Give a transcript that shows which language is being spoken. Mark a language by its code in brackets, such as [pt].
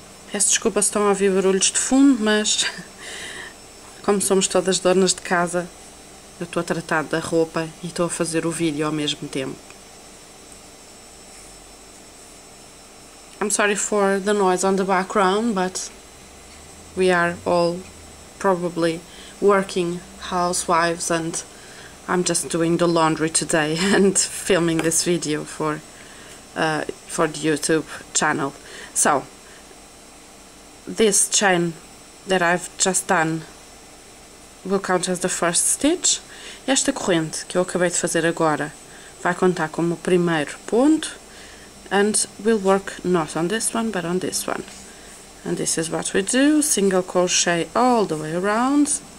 [pt] Peço desculpa se estão a ouvir barulhos de fundo, mas como somos todas donas de casa, eu estou a tratar da roupa e estou a fazer o vídeo ao mesmo tempo. [en] I'm sorry for the noise on the background, but we are all probably working housewives and I'm just doing the laundry today and filming this video for the YouTube channel. So, this chain that I've just done will count as the first stitch. [pt] Esta corrente que eu acabei de fazer agora vai contar como o primeiro ponto. [en] And we'll work not on this one, but on this one. And this is what we do: single crochet all the way around.